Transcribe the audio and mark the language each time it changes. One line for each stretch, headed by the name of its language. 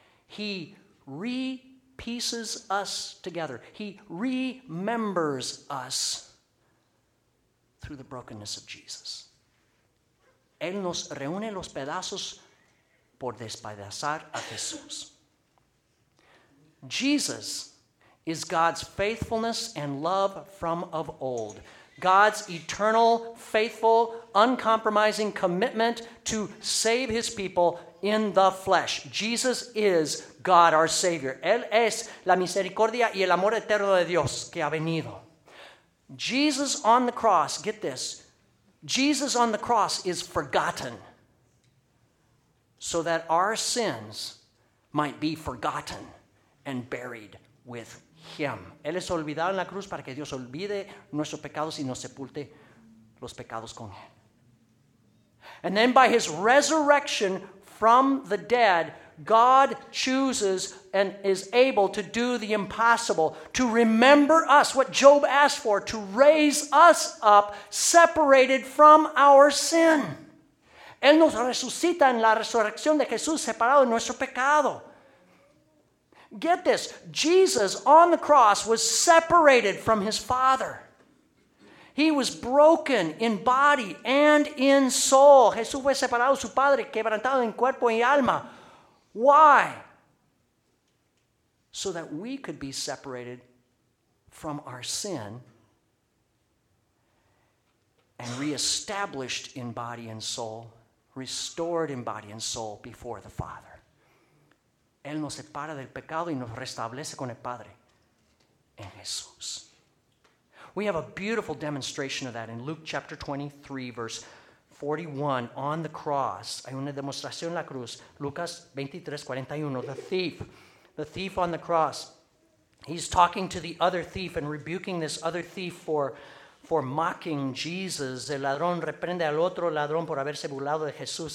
English: He re-pieces us together. He remembers us through the brokenness of Jesus.
Spanish: Él nos reúne los pedazos por despedazar a Jesús.
English: Jesus is God's faithfulness and love from of old. God's eternal, faithful, uncompromising commitment to save his people in the flesh. Jesus is God, our Savior.
Spanish: Él es la misericordia y el amor eterno de Dios que ha venido.
English: Jesus on the cross, get this, Jesus on the cross is forgotten so that our sins might be forgotten and buried with him.
Spanish: Él es olvidado en la cruz para que Dios olvide nuestros pecados y nos sepulte los pecados con él.
English: And then by his resurrection from the dead, God chooses and is able to do the impossible, to remember us, what Job asked for, to raise us up separated from our sin.
Spanish: Él nos resucita en la resurrección de Jesús separado de nuestro pecado.
English: Get this, Jesus on the cross was separated from his Father. He was broken in body and in soul.
Spanish: Jesús fue separado de su Padre, quebrantado en cuerpo y alma.
English: Why? So that we could be separated from our sin and reestablished in body and soul, restored in body and soul before the Father.
Spanish: Él nos separa del pecado y nos restablece con el Padre. en Jesús.
English: We have a beautiful demonstration of that in Luke chapter 23, verse 41, on the cross.
Spanish: Hay una demostración en la cruz. Lucas 23:41,
English: the thief on the cross. He's talking to the other thief and rebuking this other thief for mocking Jesus.
Spanish: El ladrón reprende al otro ladrón por haberse burlado de Jesús.